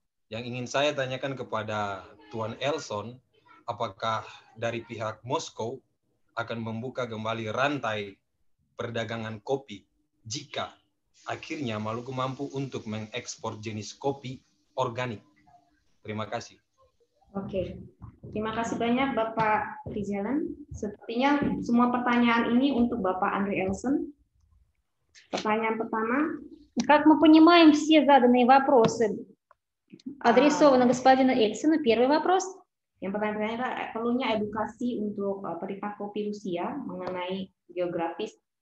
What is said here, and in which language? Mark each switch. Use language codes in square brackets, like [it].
[id] Yang ingin saya tanyakan kepada Tuan Elson, apakah dari pihak Moskow akan membuka kembali rantai perdagangan kopi jika akhirnya Maluku mampu untuk mengekspor jenis kopi organik? Terima kasih. Oke, terima kasih banyak Bapak Rizalan. Sepertinya semua pertanyaan ini untuk Bapak Andre Elson. Pertanyaan pertama. [ru] Как мы понимаем, все заданные вопросы адресовано господину Эльсону. Первый вопрос. [id] Yang pertanyaannya adalah perlunya edukasi untuk penikmat kopi Rusia mengenai geografis